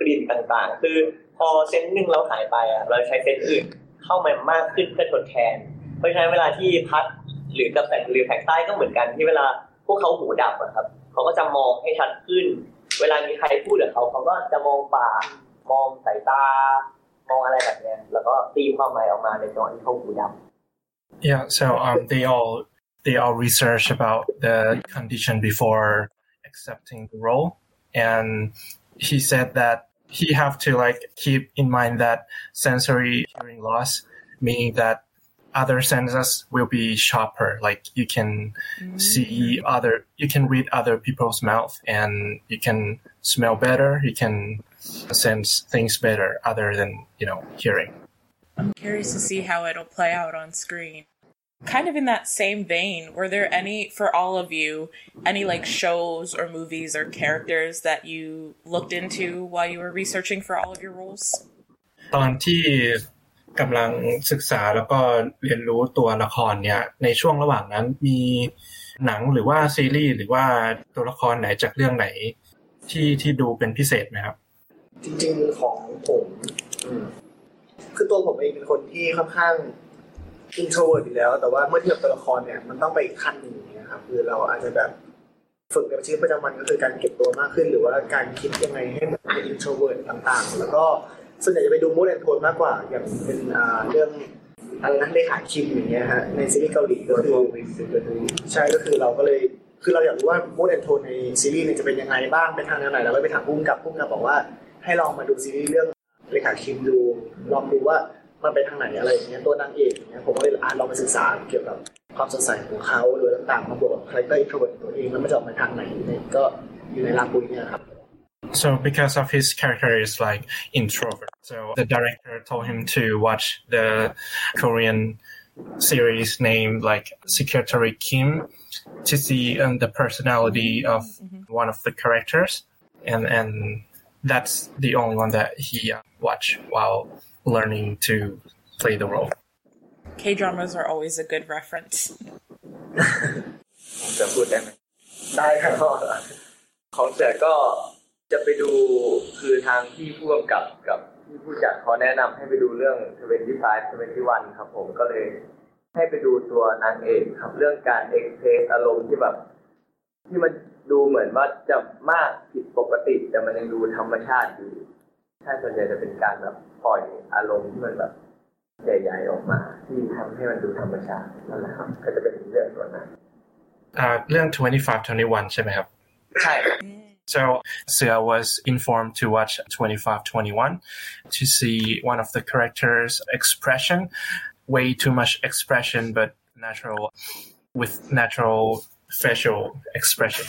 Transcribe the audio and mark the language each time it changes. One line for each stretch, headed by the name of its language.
Thai: ต่างๆคือพอเซนนึงเราหายไปอ่ะเราใช้เซนอื่นเข้ามามากขึ้นเพื่อทดแทนเพราะฉะนั้นเวลาที่พัดหรือกับแสงหรือแผงใต้ก็เหมือนกันที่เวลาพวกเขาหูดับอะครับเขาก็จะมองให้ชัดขึ้นเวลามีใครพูดกับเขาก็จะมองปากมองสายตามองอะไรแบบนี้แล้วก็ตีความหมายออกมาในตอนที่เขาหูดับ
English: Yeah so they all research about the condition before accepting the role and he said that he have to like keep in mind that sensory hearing loss meaning thatother senses will be sharper, like you can you can read other people's mouth and you can smell better, you can sense things better other than, you know, hearing. I'm curious to see how it'll play out on screen. Kind of in that same vein, were there any, for all of you, any like shows or movies or characters that you looked into while you were researching for all of your roles?
Thai: ตอนที่กำลังศึกษาแล้วก็เรียนรู้ตัวละครเนี่ยในช่วงระหว่างนั้นมีหนังหรือว่าซีรีส์หรือว่าตัวละครไหนจากเรื่องไหนที่ดูเป็นพิเศษไหมครับ จริงๆของผมคือตัวผมเองเป็นคนที่ค่อนข้าง introvert อยู่แล้วแต่ว่าเมื่อเทียบตัวละครเนี่ยมันต้องไปอีกขั้นหนึ่งนะครับคือเราอาจจะแบบฝึกในชีวิตประจำวันก็คือการเก็บตัวมากขึ้นหรือว่าการคิดยังไงให้มันเป็น introvert ต่างๆแล้วก็ส่วนใหญ่จะไปดูมูดแอนด์โทนมากกว่าอย่างเป็นเรื่องอะไรนั้นเลขาคิมอย่างเงี้ยฮะในซีรีส์เกาหลีก็คือ ใช่ก็คือเราก็เลยคือเราอยากรู้ว่ามูดแอนด์โทนในซีรีส์เนี่ยจะเป็นยังไงบ้างไปทางไหนเราก็ไปถามพุ่งกับบอกว่าให้ลองมาดูซีรีส์เรื่องเลขาคิมดูลองดูว่ามันไปทางไหนอะไรอย่างเงี้ยตัวนางเอกอย่างเงี้ยผมก็เลยลองไปศึกษาเกี่ยวกับความสดใสของเขาหรือต่างๆมาบวกกับคาแรคเตอร์อินโทรเวิร์ตตัวเองแล้วมันจะออกมาทางไหนก็อยู่ในลาปุยเนี่ยครับ
English: So because of his character is like introvert, so the director told him to watch the Korean series named like Secretary Kim to see the personality of one of the characters, and that's the only one that he watched while learning to play the role. K-dramas are always a good reference.
Thai: จะพูดได้ไหมได้ครับของเสือก็จะไปดูคือทางที่ผู้กำกับกับที่ผู้จัดเขาแนะนำให้ไปดูเรื่อง25-21ครับผมก็เลยให้ไปดูตัวนางเอกครับเรื่องการเอ็กเพรสอารมณ์ที่แบบที่มันดูเหมือนว่าจะมากผิดปกติแต่มันยังดูธรรมชาติอยู่ถ้าส่วนใหญ่จะเป็นการแบบปล่อยอารมณ์ที่มันแบบใหญ่ๆออกมาที่ทำให้มันดูธรรมชาตินั่นแหละครับก็จะเป็นเรื่องตัวนั้น เรื่อง25-21ใช่ไหมครับ ใช่
English: So Sia was informed to watch 25-21 to see one of the characters' expression, way too much expression, but natural, with natural facial expression.